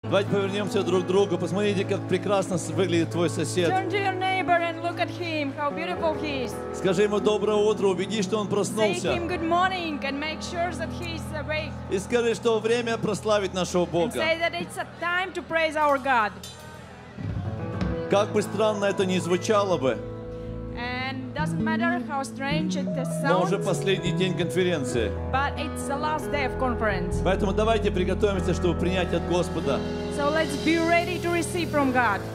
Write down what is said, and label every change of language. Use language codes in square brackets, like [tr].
[ru] Давайте повернемся друг к другу. Посмотрите, как прекрасно выглядит твой сосед. [en] Turn to your neighbor and look at him, how beautiful he is. [ru] Скажи ему доброе утро, убедись, что он проснулся. [en] Say him good morning and make sure that he's awake. [ru] И скажи, что время прославить нашего Бога. [en] And say that it's a time to praise our God. [ru] Как бы странно это ни звучало бы. [en] And doesn't matter how strange it sounds. [ru] Но уже последний день конференции. [en] But it's the last day of conference. [ru] Поэтому давайте приготовимся, чтобы принять от Господа. [en] So let's be ready to receive from God.